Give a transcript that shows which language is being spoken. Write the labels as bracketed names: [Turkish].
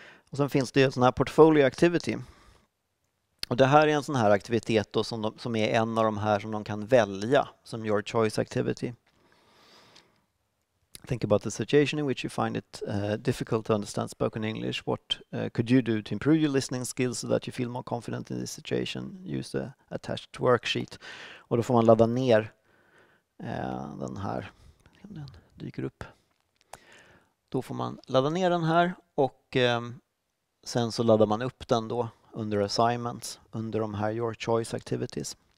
[Swedish] Och sen finns det en sån här portfolio activity. Och det här är en sån här aktivitet då som är en av de här som de kan välja som your choice activity. [English] Think about the situation in which you find it difficult to understand spoken English. What could you do to improve your listening skills so that you feel more confident in this situation? Use the attached worksheet. [Swedish] Och då får man ladda ner den här. Den dyker upp. Då får man ladda ner den här och sen så laddar man upp den då under assignments, under de här your choice activities.